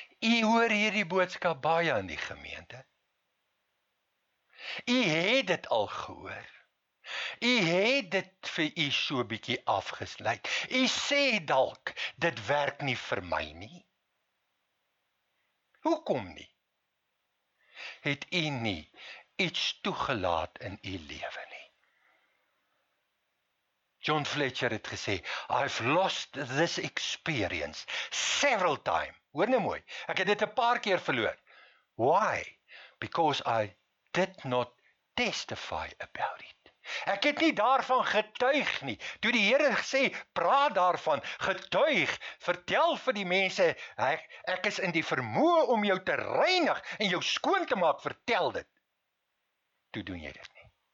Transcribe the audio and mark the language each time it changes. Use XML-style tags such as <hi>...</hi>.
<af>U hoor hierdie boodskap baie in die gemeente. U het dit al gehoor. U het dit vir u so bietjie afgesluit. U sê dalk, dit werk nie vir my nie. Hoekom nie? Het u nie iets toegelaat in u lewe nie?</af> <en>John Fletcher</en> <af>het gesê,</af> <en>I've lost this experience several times.</en> <af>Hoor nou mooi, ek het dit 'n paar keer verloor.</af> <en>Why? Because I did not testify about it.</en> <af>Ek het nie daarvan getuig nie. Toe die Here sê, praat daarvan, getuig, vertel vir die mense, ek is in die vermoë om jou te reinig en jou skoon te maak, vertel dit. Toe doen jy dit nie.</af>